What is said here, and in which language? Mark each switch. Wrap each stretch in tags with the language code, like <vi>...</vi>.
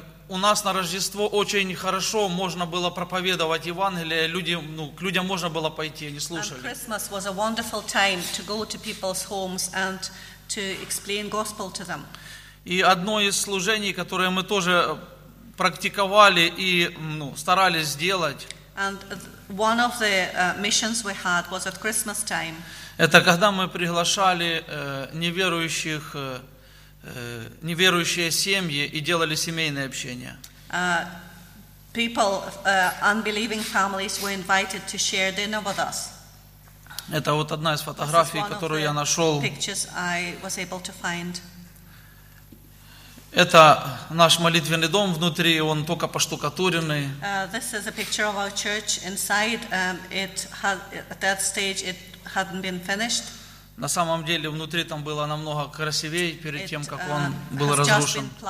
<ru>У нас на Рождество очень хорошо можно было проповедовать Евангелие, к людям можно было пойти, они слушали.</ru> <en>Christmas was a wonderful time to go to people's homes and to explain gospel to them.</en> <ru>И одно из служений, которое мы тоже практиковали и старались сделать.</ru> <en>And one of the missions we had was at Christmas time.</en> <ru>Это когда мы приглашали неверующих. Неверующие семьи и делали семейное общение.</ru> <en>Unbelieving families were invited to share dinner with us.</en> <ru>Это вот одна из фотографий, которую я нашел.</ru> <en>Pictures I was able to find.</en> <ru>Это наш молитвенный дом внутри, он только поштукатуренный.</ru> <en>This is a picture of our church inside. It had, at that stage it hadn't been finished.</en> <ru>На самом деле, внутри там было намного красивее перед тем, как он был разрушен.</ru>